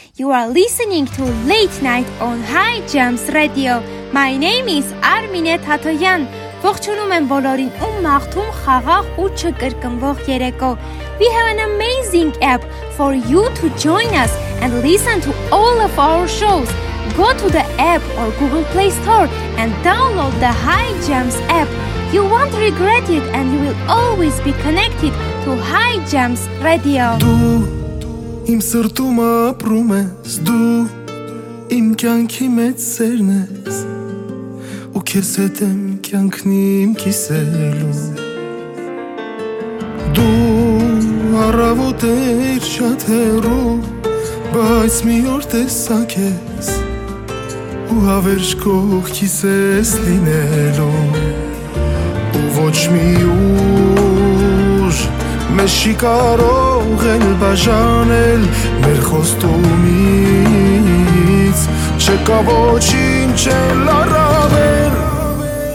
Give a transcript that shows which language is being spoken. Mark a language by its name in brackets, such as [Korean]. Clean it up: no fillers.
[English] You are listening to Late Night on High Jams Radio. My name is Armine Tatoyan. [Armenian] Ողջունում եմ բոլորին ու մաղթում խաղաղ ու չկրկնվող երեկո. [English] We have an amazing app for you to join us and listen to all of our shows. Go to the app or Google Play Store and download the High Jams app. You won't regret it and you will always be connected to High Jams Radio. [Armenian] Դու իմ սրտում ապրում ես, դու իմ կյանքի մեծ սերն ես, ու քեզ հետ եմ կյանքն իմ կիսելու։ Դու առավոտ էր շատ հեռու, բայց մի օր տեսակ ես, ու հավերժ կողքիս ես լինելու։ Ոչ մի ուժ մեզ չի կարող էլ բաժանել մեր խոստումից չկա ոչինչ էլ առավել